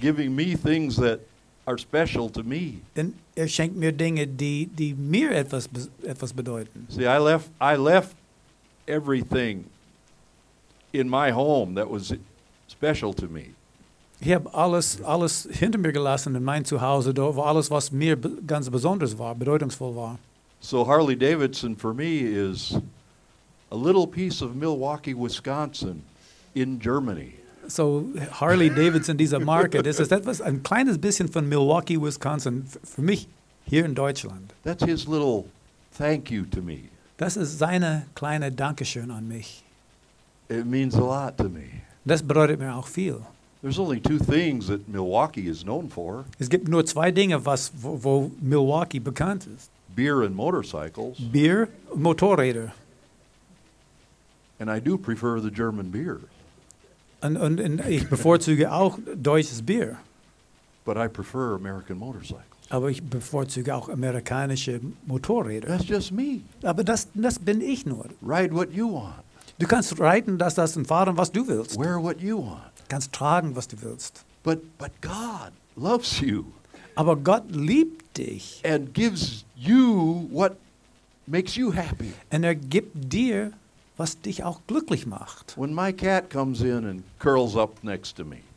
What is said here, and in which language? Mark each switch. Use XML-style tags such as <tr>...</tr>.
<en>Giving me things that are special to me.</en> <de>Denn schenkt mir Dinge, die mir etwas bedeuten.</de> <en>See, I left everything in my home that was special to me.</en> <de>Ich habe alles hinter mir gelassen in mein Zuhause, wo alles, was mir ganz besonders war, bedeutungsvoll war.</de> <en>So Harley Davidson for me is a little piece of Milwaukee, Wisconsin in Germany.</en> <de>So Harley Davidson, dieser Marke, das ist etwas, ein kleines bisschen von Milwaukee, Wisconsin, für mich hier in Deutschland.</de> <en>That's his little thank you to me.</en> <de>Das ist seine kleine Dankeschön an mich.</de> <en>It means a lot to me.</en> <de>Das bedeutet mir auch viel.</de> <en>There's only two things that Milwaukee is known for.</en> <de>Es gibt nur zwei Dinge, wo Milwaukee bekannt ist.</de> <en>Beer and motorcycles.</en> <de>Bier, Motorräder.</de> <en>And I do prefer the German beer.</en> <de>Und ich bevorzuge auch deutsches Bier.</de> <en>But I prefer American motorcycles.</en> <de>Aber ich bevorzuge auch amerikanische Motorräder.</de> <en>That's just me.</en> <de>Aber das bin ich nur.</de> <en>Ride what you want.</en> <de>Du kannst reiten, das und fahren, was du willst.</de> <en>Wear what you want.</en> <de>Kannst tragen, was du willst.</de> <en>But God loves you.</en> <de>Aber Gott liebt dich.</de> <en>And gives you what makes you happy.</en> <de>Und gibt dir, was dich auch glücklich macht.</de> <en>When my cat comes in and curls up next to me.</en>